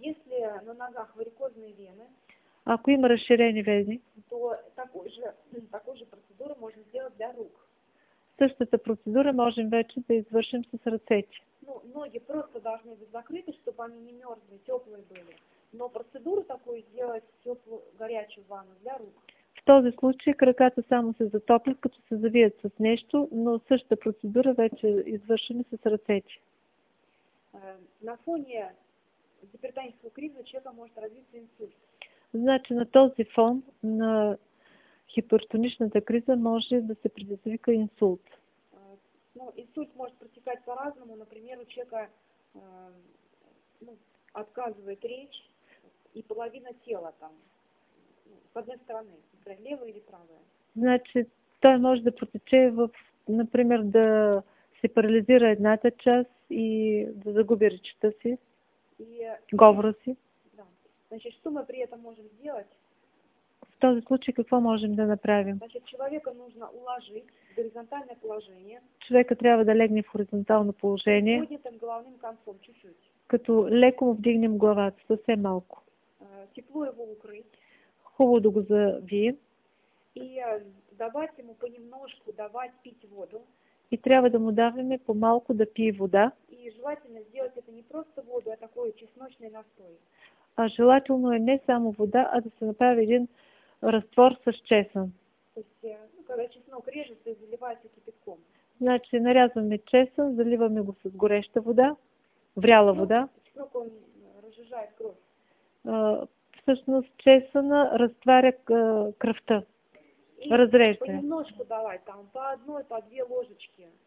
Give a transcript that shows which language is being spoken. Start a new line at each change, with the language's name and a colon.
Russian: Если на ногах варикозные вены,
Bulgarian: ако има разширени вени,
Russian: то такую же процедуру можно сделать для рук.
Bulgarian: Същата процедура можем вече да извършим с ръцете.
Russian: Ну, ноги просто должны быть закрыты, чтобы они не мерзли, теплые были. Но процедуру такую сделать теплую горячую ванну для рук.
Bulgarian: В този случай краката само се затоплят, като се завият с нещо, но същата процедура вече извършена с ръцете.
Russian: На фоне гипертонического криза человек может развиться инсульт.
Bulgarian: Значи на този фон на хипертоничната криза може да се предизвика инсулт.
Russian: Ну, инсульт может протекать по-разному. Например, у человека отказывает речь и половина тела там, с одной стороны, левая или правая.
Bulgarian: Значит, той може да протече в, например, да се парализира едната част и да загуби речта си, говора си. Да.
Russian: Значит, що ми при этом можем сделать?
Bulgarian: В този случай какво можем да направим?
Russian: Значит, человека нужно уложить в горизонтальное положение.
Bulgarian: Човека трябва да легне в хоризонтално положение.
Russian: Поднятым головным концом, чуть-чуть.
Bulgarian: Като леко му вдигнем главата, съвсем малко.
Russian: Тепло его укрыть.
Bulgarian: Хубаво да го зави.
Russian: И давать ему понемножку, давать пить воду.
Bulgarian: И трябва да му даваме помалко да пие вода.
Russian: И желательно сделать это не просто воду, а такой чесночный настой.
Bulgarian: А желателно е не само вода, а да се направи един раствор с чесън.
Russian: То есть, когда чеснок режется и заливается кипятком.
Bulgarian: Значи нарязваме чесън, заливаме го с гореща вода, вряла вода.
Russian: Чеснок он разжижает кровь.
Bulgarian: Всъщност чесъна разтваря кръвта. Разрежда.
Russian: Понемножку давай, там по одной, по две ложечки.